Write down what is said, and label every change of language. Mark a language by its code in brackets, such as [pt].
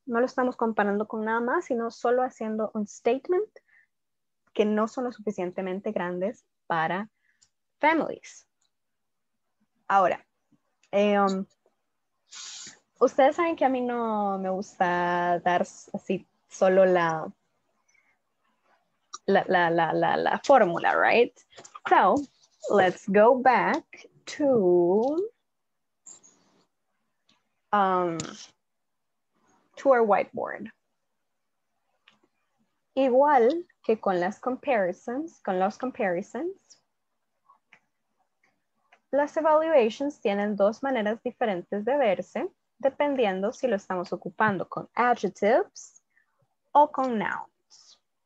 [es] No lo estamos comparando con nada más, sino solo haciendo un statement que no son lo suficientemente grandes para families. Ahora, ustedes saben que a mí no me gusta dar así solo la fórmula, right? [en] So, let's go back to to our whiteboard. [es] Igual que con las comparisons, con los comparisons, las evaluations tienen dos maneras diferentes de verse, dependiendo si lo estamos ocupando con adjectives o con nouns.